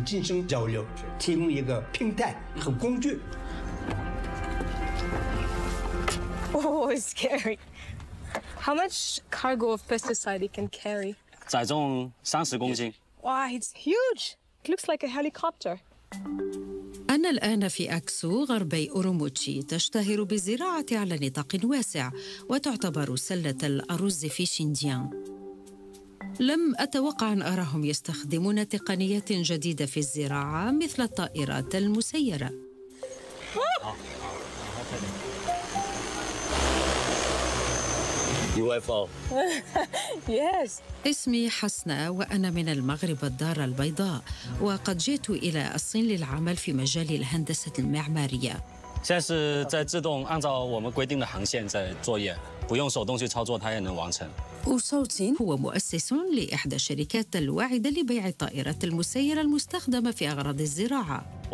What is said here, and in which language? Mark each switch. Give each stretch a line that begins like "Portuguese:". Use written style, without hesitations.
Chinese: 我们面向一带一路，中国人跟那些国家人进行交流，提供一个平台和工具。
English: Oh, it's scary. How much cargo of pesticide it can carry?
Chinese: 载重30公斤。
English: Wow, it's huge. It looks like a helicopter.
Arabic: أنا الآن في أكسو غربي أوروموتشي، تشتهر بالزراعة على نطاق واسع وتعتبر سلة الأرز في شينجيانغ. لم أتوقع أن أراهم يستخدمون تقنيات جديدة في الزراعة مثل الطائرات المسيرة.
English: UFO. Yes.
Arabic: اسمي حسناء وأنا من المغرب الدار البيضاء، وقد جئت إلى الصين للعمل في مجال الهندسة المعمارية.
Chinese: 现在是在自动按照我们规定的航线在作业，不用手动去操作，它也能完成。
Arabic: أوسوتين هو مؤسس لإحدى الشركات الواعدة لبيع الطائرات المسيرة المستخدمة في أغراض الزراعة.